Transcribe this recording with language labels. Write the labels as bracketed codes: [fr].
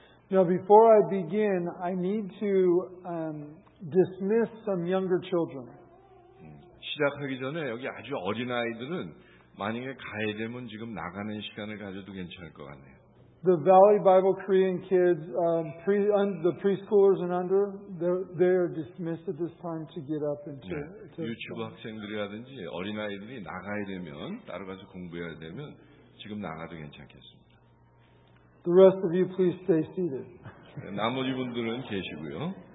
[en] Now before I begin, I need to dismiss some younger children. [ko] 시작하기 전에 여기 아주 어린 아이들은 만약에 가야 되면 지금 나가는 시간을 가져도 괜찮을 것 같네요. [en] The Valley Bible Korean kids, the preschoolers and under, they are dismissed at this time to get up and to. [ko] 네, 유치부 학생들이라든지 어린 아이들이 나가야 되면 따로 가서 공부해야 되면 지금 나가도 괜찮겠습니다. [en] The rest of you, please stay seated. [ko] 나머지 분들은 계시고요.